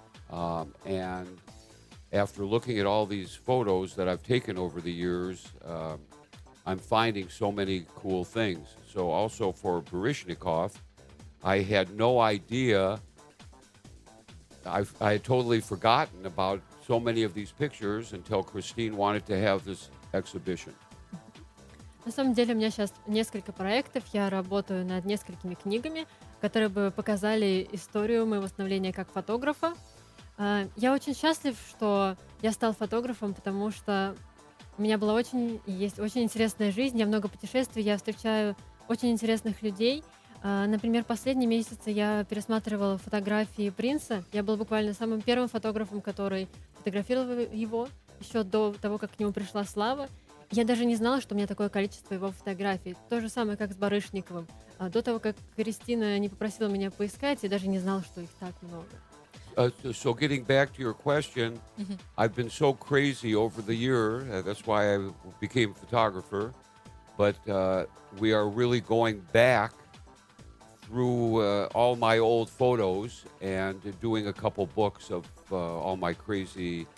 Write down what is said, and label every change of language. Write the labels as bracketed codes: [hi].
[en] And after looking at all these photos that I've taken over the years, I'm finding so many cool things. So also for Baryshnikov, I had no idea. I had totally forgotten about so many of these pictures until Christine wanted to have this exhibition. [ru] На самом деле, у меня сейчас несколько проектов. Я работаю над несколькими книгами, которые бы показали историю моего становления как фотографа. Я очень счастлив, что я стал фотографом, потому что у меня была очень, есть очень интересная жизнь. Я много путешествую, я встречаю очень интересных людей. Например, последние месяцы я пересматривала фотографии Принца. Я была буквально самым первым фотографом, который фотографировал его еще до того, как к нему пришла слава. Я даже не знала, что у меня такое количество его фотографий. То же самое, как с Барышниковым. До того, как Кристина не попросила меня поискать, я даже не знала, что их так много. [en] So getting back to your question, I've been so crazy over the year. That's why I became a photographer. But we are really going back through all my old photos and doing a couple books of all my crazy...